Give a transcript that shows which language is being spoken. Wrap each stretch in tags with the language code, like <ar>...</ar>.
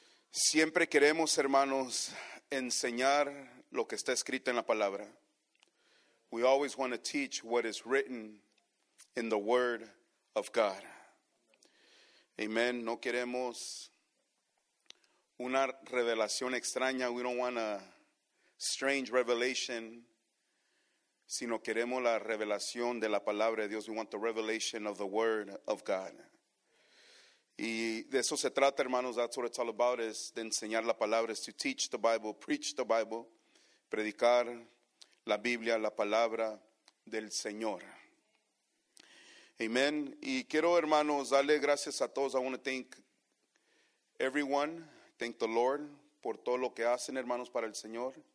<es>Siempre queremos, hermanos, enseñar lo que está escrito en la palabra.</es> <en>We always want to teach what is written in the word of God. Amen.</en> <es>No queremos una revelación extraña.</es> <en>We don't want a strange revelation.</en> <es>Sino queremos la revelación de la palabra de Dios.</es> <en>We want the revelation of the word of God.</en> <es>Y de eso se trata, hermanos.</es> <en>That's what it's all about, is</en> <es>de enseñar la palabra.</es> <en>Is to teach the Bible, preach the Bible.</en> <es>Predicar la Biblia, la palabra del Señor. Amen. Y quiero, hermanos, darle gracias a todos.</es> <en>I want to thank everyone. Thank the Lord</en> <es>por todo lo que hacen, hermanos, para el Señor.</es>